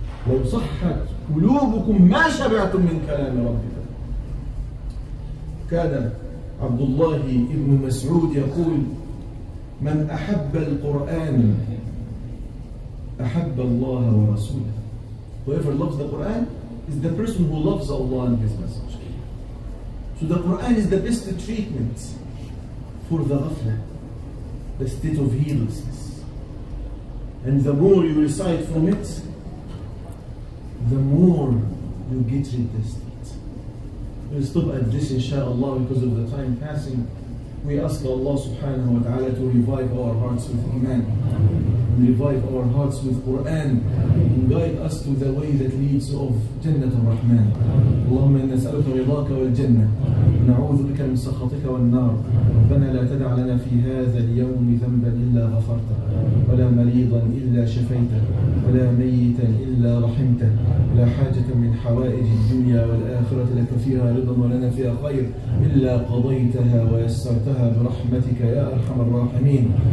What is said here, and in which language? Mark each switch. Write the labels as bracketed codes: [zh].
[ar] لو صحت قلوبكم ما شبعتم من كلام ربكم. كان عبد الله ابن مسعود يقول من أحب القرآن أحب الله ورسوله. [en] Whoever loves the Quran is the person who loves Allah and His Messenger. So the Quran is the best treatment for the ghafla, the state of heedlessness. And the more you recite from it, the more you get rid of the state. We'll stop at this inshallah because of the time passing. We ask Allah subhanahu wa ta'ala to revive our hearts with Iman. Revive our hearts with Quran and guide us to the way that leads of Jannah al-Rahman. [ar] اللهم إنا نسألك رضاك والجنة ونعوذ بك من سخطك والنار. ربنا لا تدع لنا في هذا اليوم ذنبا إلا غفرته ولا مريضا إلا شفيته ولا ميتا إلا رحمته. لا حاجة من حوائج الدنيا والآخرة لك فيها رضا ولنا فيها خير إلا قضيتها ويسرتها برحمتك يا أرحم الراحمين.